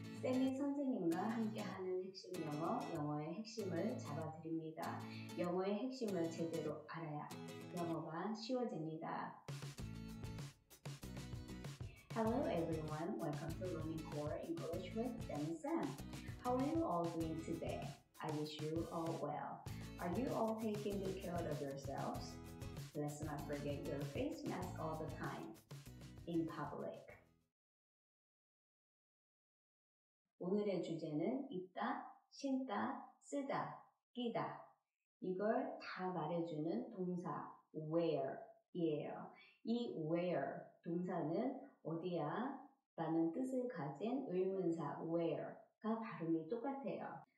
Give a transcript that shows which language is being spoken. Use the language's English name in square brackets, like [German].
[Korean] 쌤의 선생님과 함께하는 핵심 영어, 영어의 핵심을 잡아드립니다. 영어의 핵심을 제대로 알아야 영어가 쉬워집니다. [English] Hello everyone, welcome to Learning Core English with 쌤 and Sam. How are you all doing today? I wish you all well. Are you all taking good care of yourselves? Let's not forget your face mask all the time in public. [Korean] 오늘의 주제는 입다, 신다, 쓰다, 끼다. 이걸 다 말해주는 동사 wear이에요. 이 wear 동사는 어디야? 라는 뜻을 가진 의문사 wear가 발음이 똑같아요.